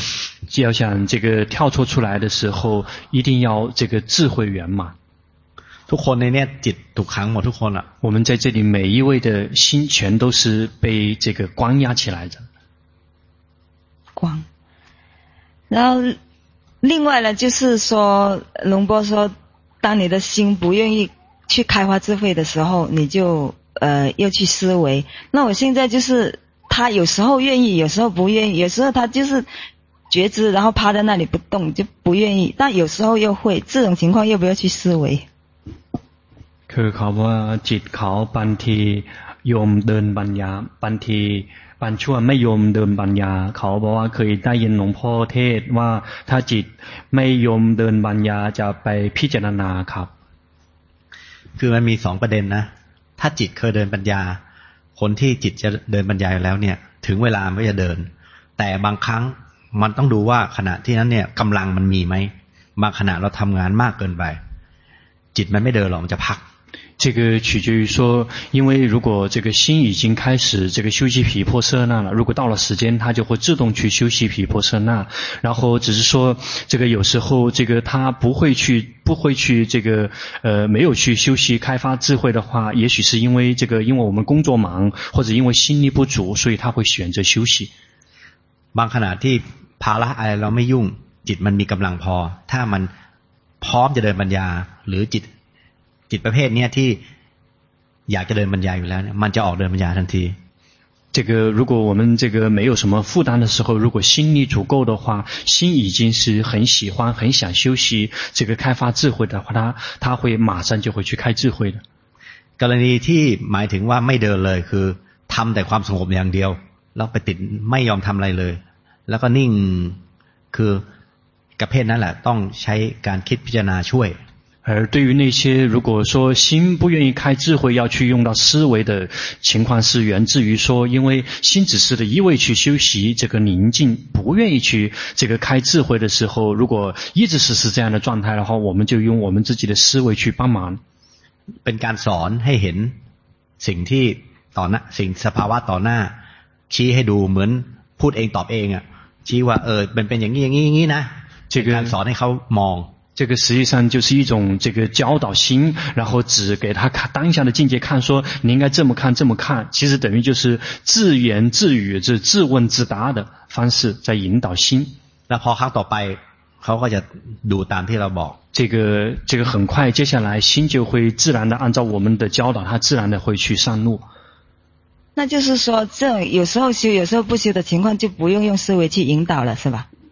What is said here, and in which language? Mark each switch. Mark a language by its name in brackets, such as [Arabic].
[Chinese] ณ์要想这个跳脱出来的时候，一定要这个智慧圆满。 [Thai] ทุกคนในนี้จิตถูกขังหมดทุกคนละ [Chinese] 我们在这里每一位的心全都是被这个关押起来的。关。然后另外呢，就是说龙波说，当你的心不愿意去开发智慧的时候，你就。又去思维，那我现在就是他有时候愿意，有时候不愿意，有时候他就是觉知，然后趴在那里不动，就不愿意。但有时候又会，这种情况要不要去思维？ [Thai] คือเขาว่าจิตเขาบางทียอมเดินปัญญาบางทีบางช่วงไม่ยอมเดินปัญญาเขาบอกว่าเคยได้ยินหลวงพ่อเทศว่าถ้าจิตไม่ยอมเดินปัญญาจะไปพิจารณาครับ คือมันมีสองประเด็นนะถ้าจิตเคยเดินปัญญาคนที่จิตจะเดินปัญญาแล้วเนี่ยถึงเวลามันก็จะเดินแต่บางครั้งมันต้องดูว่าขณะที่นั้นเนี่ยกำลังมันมีไหมบางขณะเราทำงานมากเกินไปจิตมันไม่เดินหรอกมันจะพัก [Chinese] 这个取决于说因为如果这个心已经开始这个修习毗婆舍那了如果到了时间它就会自动去修习毗婆舍那然后只是说这个有时候这个它不会去这个没有去修习开发智慧的话也许是因为这个因为我们工作忙或者因为心力不足所以它会选择休息 [Thai] บางขณะที่ภาระอะไรเราไม่ยุ่งจิตมันมีกำลังพอถ้ามันพร้อมจะเดินปัญญาหรือจิตประเภทนี้ที่อยากจะเดินปัญญาอยู่แล้วมันจะออกเดินปัญญาทันที [Chinese] 这个如果我们这个没有什么负担的时候如果心力足够的话心已经是很喜欢很想休息这个开发智慧的话他会马上就会去开智慧的 [Thai] กรณีที่หมายถึงว่าไม่เดินเลยคือทำแต่ความสงบอย่างเดียวแล้วไปติดไม่ยอมทำอะไรเลยแล้วก็นิ่งคือประเภทนั้นแหละต้องใช้การคิดพิจารณาช่วย [Chinese] 而对于那些如果说心不愿意开智慧要去用到思维的情况是源自于说因为心只是的一味去休息这个宁静不愿意去这个开智慧的时候如果一直是这样的状态的话我们就用我们自己的思维去帮忙 [Thai] เป็นการสอนให้เห็นสิ่งที่ต่อหน้าสิ่งสภาวะต่อหน้าชี้ให้ดูเหมือนพูดเองตอบเองอ่ะชี้ว่าเออเป็นอย่างนี้อย่างนี้นะ [Chinese] 这个扫那好忙，这个实际上就是一种这个教导心，然后只给他看当下的境界看，说你应该这么看这么看，其实等于就是自言自语，这自问自答的方式在引导心。 [Thai] 那พอครั้งต่อไปเขาก็จะดูตามที่เราบอก。 [Chinese] 这个很快，接下来心就会自然的按照我们的教导，他自然的会去上路。那就是说，这有时候修，有时候不修的情况，就不用用思维去引导了，是吧？